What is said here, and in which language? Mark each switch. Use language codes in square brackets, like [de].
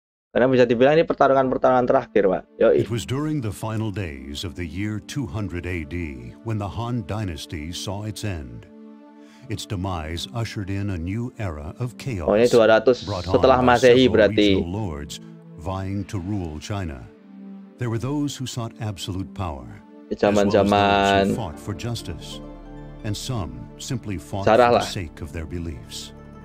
[id] Karena bisa dibilang ini pertarungan-pertarungan terakhir, Pak. Yoi. [en] It was during the final days of the year 200 AD when the Han Dynasty saw its end. Its demise ushered in a new era of chaos. [id] Oh, ini 200 setelah Masehi, berarti. [en] Vying to rule China, there were those who sought absolute power, [id] zaman-zaman, [en] who fought for justice, and some simply fought for the sake of their beliefs.